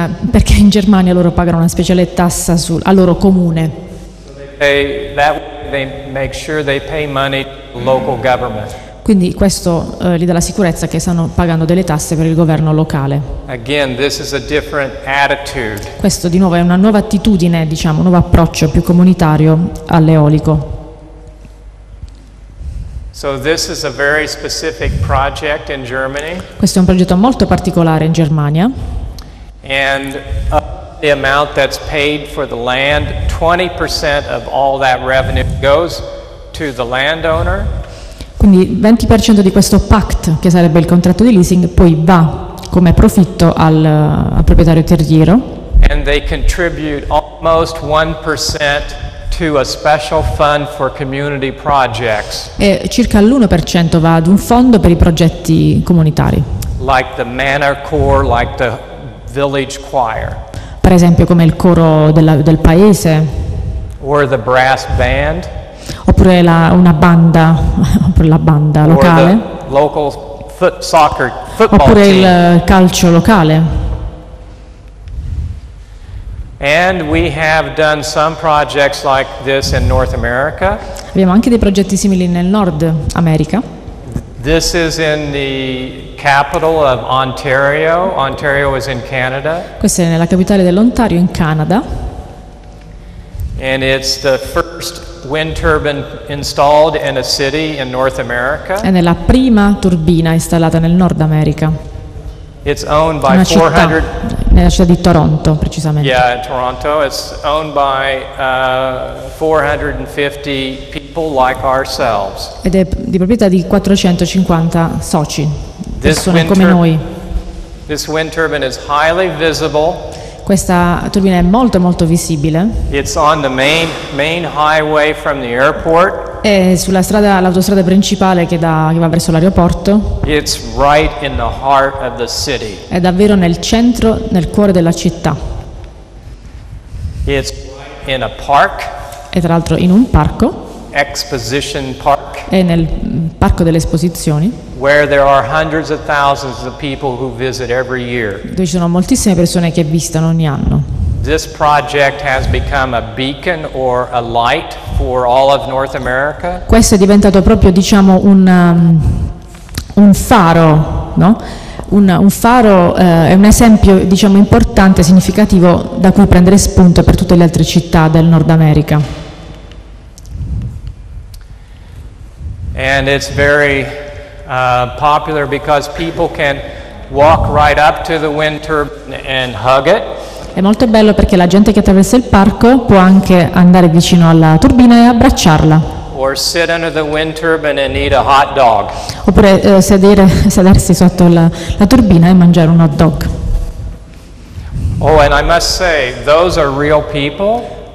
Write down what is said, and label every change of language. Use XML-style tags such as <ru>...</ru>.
<it>Perché in Germania loro pagano una speciale tassa al loro comune.</it> <en>They make sure they pay money to local government.</en> <it>Quindi questo gli dà la sicurezza che stanno pagando delle tasse per il governo locale.</it> <en>Again, this is a different attitude.</en> <it>Questo di nuovo è una nuova attitudine, diciamo, un nuovo approccio più comunitario all'eolico.</it> <en>So this is a very specific project in Germany.</en> <it>Questo è un progetto molto particolare in Germania.</it> <en>And the amount that's paid for the land, 20% of all that revenue goes to the landowner.</en> <it>Quindi 20% di questo pact, che sarebbe il contratto di leasing, poi va come profitto al proprietario terriero.</it> <en>And they contribute almost 1% to a special fund for community projects.</en> <it>E circa l'1% va ad un fondo per i progetti comunitari.</it> <en>Like the manor core, like the village choir.</en> <it>Per esempio come il coro del paese.</it> <en>Or the brass band.</en> <it>Oppure la banda locale,</it> <en>local football</en> <it>oppure</it> <en>team.</en> <it>Il calcio locale.</it> <en>And we have done some projects like this in North America.</en> <it>Abbiamo anche dei progetti simili nel Nord America.</it> <en>This is in the capital of Ontario. Ontario is in Canada.</en> <it>Questa è nella capitale dell'Ontario in Canada.</it> <en>And it's the first wind turbine installed in a city in North America.</en> <it>È nella prima turbina installata nel Nord America.</it> <en>It's owned by 400</en> <it>nella città di Toronto, precisamente.</it> <en>Yeah, in Toronto it's owned by 450 people like ourselves.</en> <it>Ed è di proprietà di 450 soci, persone come noi.</it> <en>This wind turbine is highly visible.</en> <it>Questa turbina è molto molto visibile.</it> <en>It's on the main highway from the airport.</en> <it>È sulla strada, l'autostrada principale che va verso l'aeroporto.</it> <en>It's right in the heart of the city.</en> <it>È davvero nel centro, nel cuore della città.</it> <en>It's in a park.</en> <it>È tra l'altro in un parco.</it> <en>Exposition Park.</en> <it>È nel parco delle esposizioni.</it> <en>Where there are hundreds of thousands of people who visit every year.</en> <it>Dove ci sono moltissime persone che visitano ogni anno.</it> <en>This project has become a beacon or a light for all of North America.</en> <it>Questo è diventato proprio, diciamo, un faro, no? Un faro è un esempio, diciamo, importante, significativo da cui prendere spunto per tutte le altre città del Nord America.</it> <en>And it's very popular because people can walk right up to the wind turbine and hug it.</en> <it>È molto bello perché la gente che attraversa il parco può anche andare vicino alla turbina e abbracciarla.</it> <en>Or sit under the wind turbine and eat a hot dog.</en> <it>Oppure sedersi sotto la turbina e mangiare un hot dog.</it> <en>Oh, and I must say, those are real people.</en>